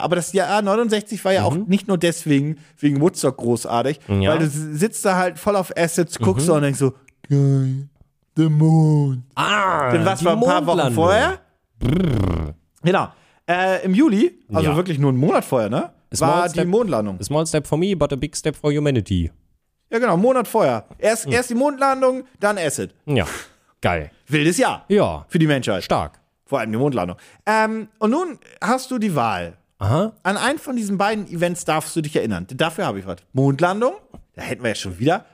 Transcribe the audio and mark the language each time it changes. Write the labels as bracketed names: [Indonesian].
[German] Aber das Jahr 69 war ja auch nicht nur wegen Woodstock großartig. Ja. Weil du sitzt da halt voll auf Assets, guckst und denkst so, geil, der Mond. Ah, denn was war ein paar Wochen vorher? Brrr. Genau. Im Juli, also wirklich nur einen Monat vorher, ne? Die Mondlandung. [English] A small step for me, but a big step for humanity. [German] Ja, genau, Monat vorher. Erst die Mondlandung, dann Acid. Ja, geil. Wildes Jahr. Ja. Für die Menschheit. Stark. Vor allem die Mondlandung. Und nun hast du die Wahl. Aha. An einen von diesen beiden Events darfst du dich erinnern. Dafür habe ich was. Mondlandung, da hätten wir ja schon wieder.